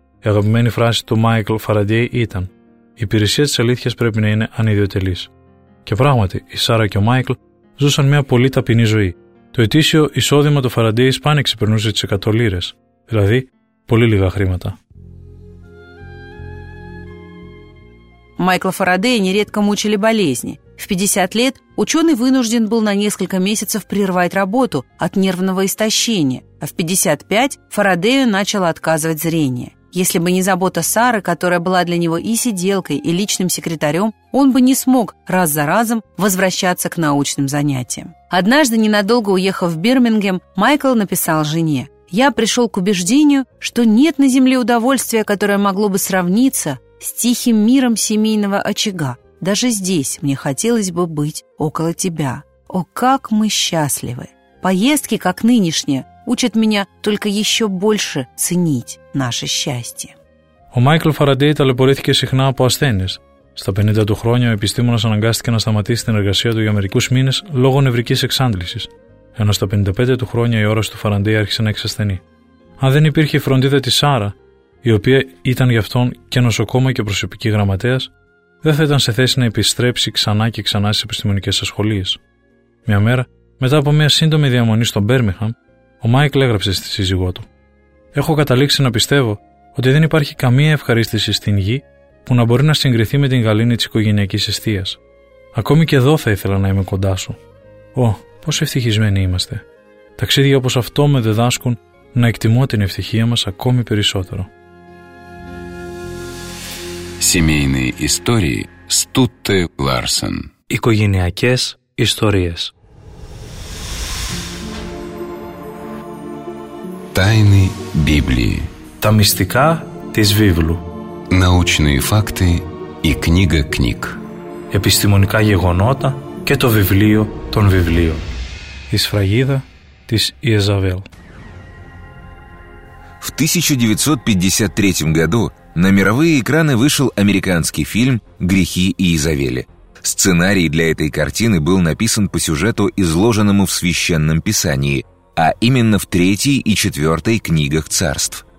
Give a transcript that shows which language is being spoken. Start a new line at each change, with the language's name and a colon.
Greek: Η αγαπημένη φράση του Μάικλ Φαραντέι ήταν: «Η υπηρεσία της αλήθειας πρέπει να είναι ανιδιοτελής». Και πράγματι, η Σάρα και ο Μάικλ ζούσαν μια πολύ ταπεινή ζωή. Το ετήσιο εισόδημα του Φαραντέι σπάνια ξεπερνούσε τις 100 λίρες, δηλαδή πολύ λίγα χρήματα.
Russian: Майкл Фарадей нередко мучили болезни. В 50 лет ученый вынужден был на несколько месяцев прервать работу от нервного истощения, а в 55 Фарадею начало отказывать зрение. Если бы не забота Сары, которая была для него и сиделкой, и личным секретарем, он бы не смог раз за разом возвращаться к научным занятиям. Однажды, ненадолго уехав в Бирмингем, Майкл написал жене: «Я пришел к убеждению, что нет на Земле удовольствия, которое могло бы сравниться с тихим миром семейного очага. Даже здесь мне хотелось бы быть около тебя. О, как мы счастливы! Поездки, как нынешние, учат меня только еще больше ценить наше счастье».
Greek: Ο Майкл Фарадей ταλαιπωρήθηκε συχνά από ασθένειες. Στα 50 του χρόνια ο επιστήμονας αναγκάστηκε να σταματήσει την εργασία του για μερικούς μήνες λόγω νευρικής εξάντλησης, ενώ στα 55 του χρόνια η όραση του Φαραντέι άρχισε να εξασθενεί. Αν δεν υπήρχε η φροντίδα της Σάρα, η οποία ήταν για αυτόν και νοσοκόμα και προσωπική γραμματέας, δεν θα ήταν σε θέση να επιστρέψει ξανά και ξανά στις επιστημονικές ασχολίες. Μια μέρα, μετά από μια σύντομη διαμονή στον Μπέρμιγχαμ, ο Μάικλ έγραψε στη σύζυγό του: «Έχω καταλήξει να πιστεύω ότι δεν υπάρχει καμία ευχαρίστηση στην γη που να μπορεί να συγκριθεί με την γαλήνη της οικογενειακής εστίας. Ακόμη και εδώ θα ήθελα να είμαι κοντά σου. Ω, πόσο ευτυχισμένοι είμαστε. Ταξίδια όπως αυτό με διδάσκουν να εκτιμώ την ευτυχία μας ακόμη περισσότερο».
Russian: Семейные истории Стутте Ларсен.
Greek: Οικογενειακές ιστορίες.
Russian: Тайны Библии.
Greek: Τα μυστικά της Βίβλου.
Russian: Научные факты и книга книг.
Greek: Επιστημονικά γεγονότα και το βιβλίο των βιβλίων. Η σφραγίδα της Ιεζαβέλ.
Russian: В 1953 году на мировые экраны вышел американский фильм «Грехи Иезавели». Сценарий для этой картины был написан по сюжету, изложенному в Священном Писании, а именно в третьей и четвертой книгах царств.